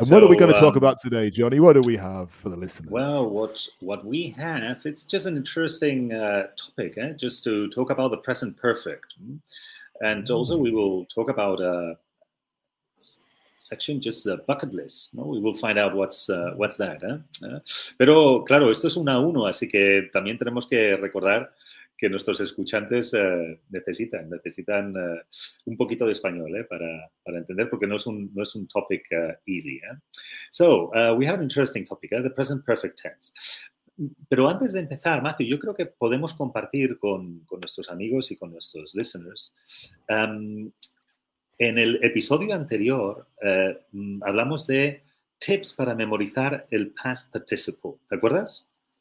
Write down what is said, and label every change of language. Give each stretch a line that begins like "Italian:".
English: And what are we going to talk about today, Johnny? What do we have for the listeners? Well, what we have, it's just an interesting topic, eh? Just to talk about the present perfect. And also we will talk about a section, just a bucket list. No, we will find out what's that.
Spanish: Pero claro, esto es una uno, así que también tenemos que recordar que nuestros escuchantes necesitan un poquito de español para entender, porque no es un
English: topic easy. So, we have an interesting topic, the present perfect tense.
Spanish: Pero antes de empezar, Matthew, yo creo que podemos compartir con nuestros amigos y con nuestros listeners. En el episodio anterior hablamos de tips para memorizar el past participle. ¿Te acuerdas?